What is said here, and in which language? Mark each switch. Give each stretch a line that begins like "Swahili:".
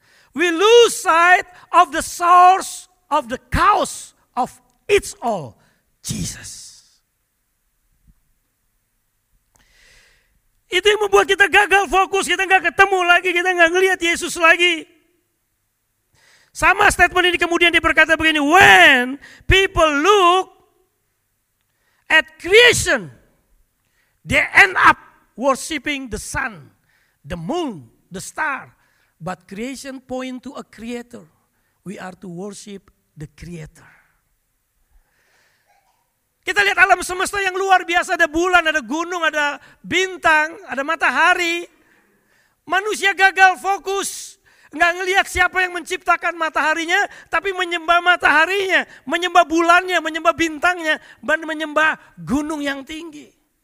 English: We lose sight of the source of the cause of it's all, Jesus.
Indonesian: Itu yang membuat kita gagal fokus, kita gak ketemu lagi, kita gak ngelihat Yesus lagi. Sama statement ini kemudian dia berkata begini,
English: when people look at creation, they end up worshiping the sun, the moon, the star. But creation point to a creator. We are to worship the creator.
Indonesian: Kita lihat alam semesta yang luar biasa, ada bulan, ada gunung, ada bintang, ada matahari. Manusia gagal fokus. Enggak ngelihat siapa yang menciptakan mataharinya, tapi menyembah mataharinya, menyembah bulannya, menyembah bintangnya, dan menyembah gunung yang tinggi.